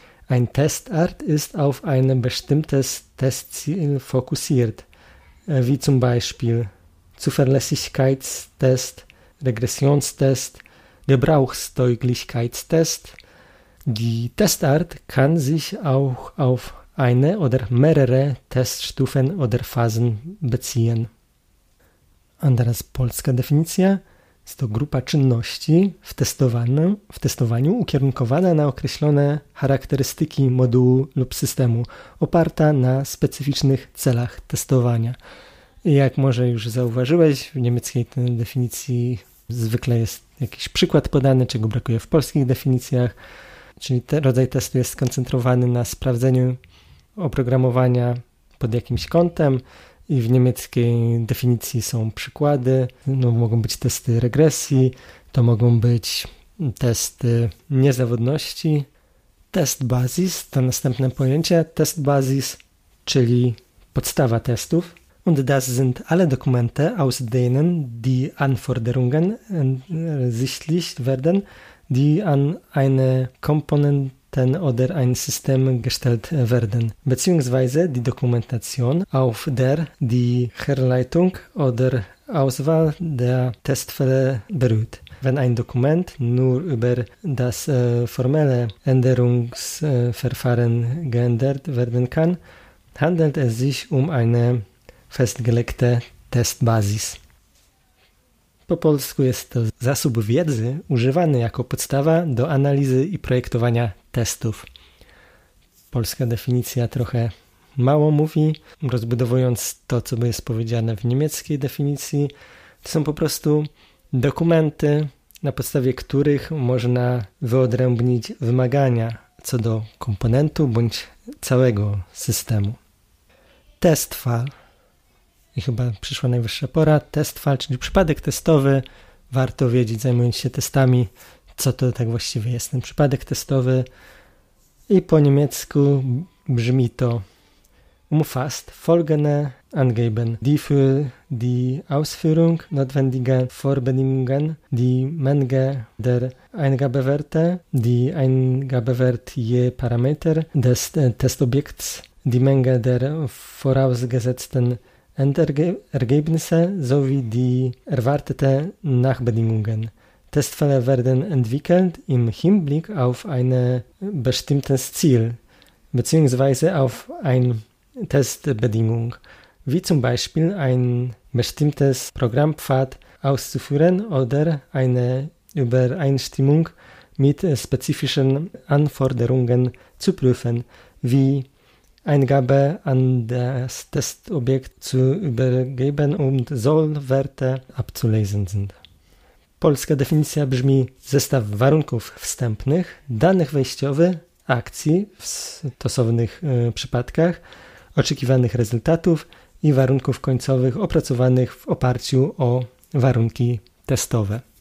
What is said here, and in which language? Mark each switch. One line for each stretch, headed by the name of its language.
German: Ein Testart ist auf ein bestimmtes Testziel fokussiert, wie zum Beispiel Zuverlässigkeitstest, Regressionstest, Gebrauchstauglichkeitstest. Die Testart kann sich auch auf eine oder mehrere Teststufen oder Phasen beziehen.
Polish: Andra polska definicja jest to grupa czynności w testowaniu ukierunkowana na określone charakterystyki modułu lub systemu, oparta na specyficznych celach testowania. I jak może już zauważyłeś, w niemieckiej definicji zwykle jest jakiś przykład podany, czego brakuje w polskich definicjach. Czyli ten rodzaj testu jest skoncentrowany na sprawdzeniu oprogramowania pod jakimś kątem i w niemieckiej definicji są przykłady. No, mogą być testy regresji, to mogą być testy niezawodności. Test basis to następne pojęcie. Test basis, czyli podstawa testów.
German: Und das sind alle Dokumente, aus denen die Anforderungen ersichtlich werden, die an eine Komponenten oder ein System gestellt werden, beziehungsweise die Dokumentation, auf der die Herleitung oder Auswahl der Testfälle beruht. Wenn ein Dokument nur über das formelle Änderungsverfahren geändert werden kann, handelt es sich um eine festgelegte Testbasis.
Polish: Po polsku jest to zasób wiedzy używany jako podstawa do analizy i projektowania testów. Polska definicja trochę mało mówi, rozbudowując to, co jest powiedziane w niemieckiej definicji. To są po prostu dokumenty, na podstawie których można wyodrębnić wymagania co do komponentu bądź całego systemu. Testfall. I chyba przyszła najwyższa pora. Testfall, czyli przypadek testowy. Warto wiedzieć, zajmując się testami, co to tak właściwie jest ten przypadek testowy. I po niemiecku brzmi to
German: Umfasst folgende Angaben, die für die Ausführung notwendige Vorbedingungen, die Menge der Eingabewerte, die Eingabewert je Parameter des Testobjekts, die Menge der vorausgesetzten Endergebnisse sowie die erwartete Nachbedingungen. Testfälle werden entwickelt im Hinblick auf ein bestimmtes Ziel bzw. auf ein Testbedingung, wie zum Beispiel ein bestimmtes Programmpfad auszuführen oder eine Übereinstimmung mit spezifischen Anforderungen zu prüfen, wie Eingabe an das Testobjekt zu übergeben und Sollwerte abzulesen sind.
Polish: Polska definicja brzmi: zestaw warunków wstępnych, danych wejściowych, akcji w stosownych przypadkach, oczekiwanych rezultatów i warunków końcowych opracowanych w oparciu o warunki testowe.